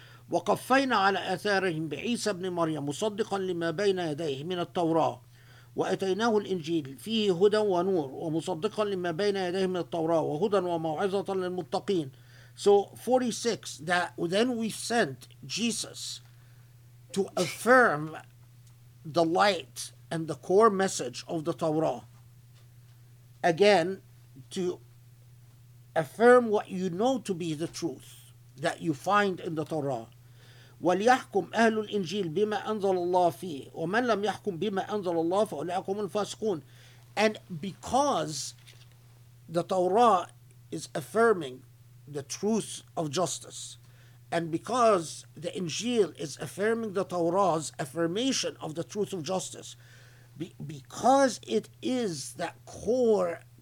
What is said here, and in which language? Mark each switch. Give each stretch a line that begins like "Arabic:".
Arabic: وقفينا على آثارهم بعيسى بن مريم مصدقا لما بين يديه من التوراة، وأتيناه الإنجيل فيه هدى ونور، ومصدقا لما بين يديه من التوراة وهدى وموعظة للمتقين.
English: So 46, that then we sent Jesus to affirm the light and the core message of the Torah. Again, to affirm what you know to be the truth that you find in the Torah.
Arabic: وليحكم أهل الإنجيل بما أنزل الله فيه ومن لم يحكم بما أنزل الله فأولئك هم الفاسقون.
English: And because the Torah is affirming the truth of justice, and because the Injil is affirming the Torah's affirmation of the truth of justice, because it is that core